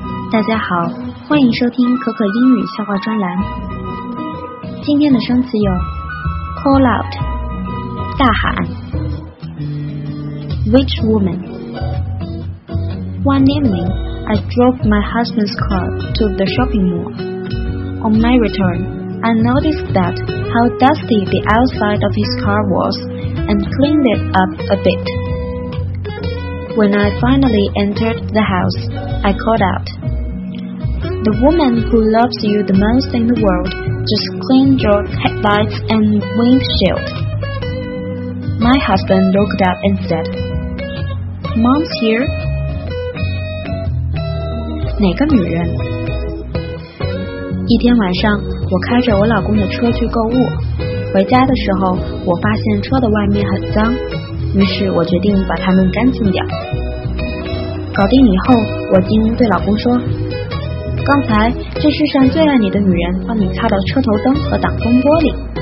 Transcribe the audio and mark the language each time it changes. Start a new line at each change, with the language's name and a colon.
Chinese: 大家好，欢迎收听可可英语笑话专栏。今天的生词有
English: call out
Chinese: 大喊
English: which woman one evening I drove my husband's car to the shopping mall. On my return, I noticed that how dusty the outside of his car was and cleaned it up a bit. When I finally entered the house, I called out, The woman who loves you the most in the world just cleaned your headlights and windshield. My husband looked up and said, Mom's here?
Chinese: 哪个女人？一天晚上，我开着我老公的车去购物，回家的时候，我发现车的外面很脏，于是我决定把它们干净掉。搞定以后，我竟对老公说，刚才这世上最爱你的女人帮你擦了车头灯和挡风玻璃。